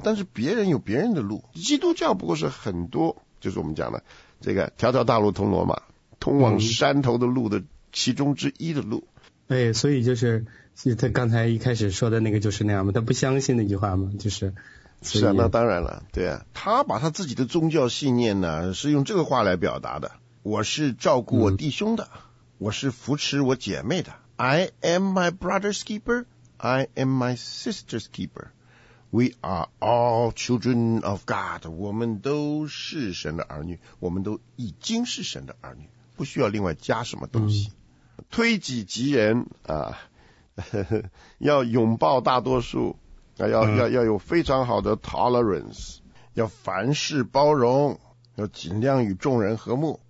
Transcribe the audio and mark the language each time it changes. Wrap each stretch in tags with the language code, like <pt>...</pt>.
<zh>但是别人有别人的路，基督教不过是很多，就是我们讲的这个条条大路通罗马，通往山头的路的其中之一的路。哎，所以就是他刚才一开始说的那个就是那样嘛，他不相信那句话嘛，就是。是啊，那当然了，对啊，他把他自己的宗教信念呢，是用这个话来表达的。我是照顾我弟兄的，我是扶持我姐妹的。</zh> <en>I am my brother's keeper, I am my sister's keeper. We are all children of God.</en> <zh>我们都是神的儿女，我们都已经是神的儿女，不需要另外加什么东西。推己及人啊，要拥抱大多数，要有非常好的 tolerance, 要凡事包容，要尽量与众人和睦。</zh>